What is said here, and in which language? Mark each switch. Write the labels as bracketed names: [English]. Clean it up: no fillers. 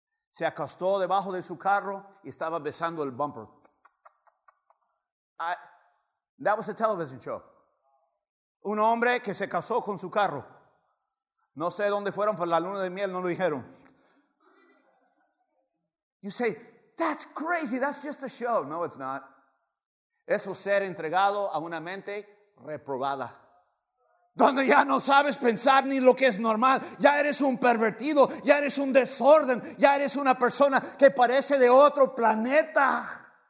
[Spanish] Se acostó debajo de su carro y estaba besando el bumper. [English] That was a television show. [Spanish] Un hombre que se casó con su carro. No sé dónde fueron, pero la luna de miel no lo dijeron. [English] You say, that's crazy, that's just a show. No, it's not. [Spanish] Eso es ser entregado a una mente reprobada. Donde ya no sabes pensar ni lo que es normal. Ya eres un pervertido. Ya eres un desorden. Ya eres una persona que parece de otro planeta.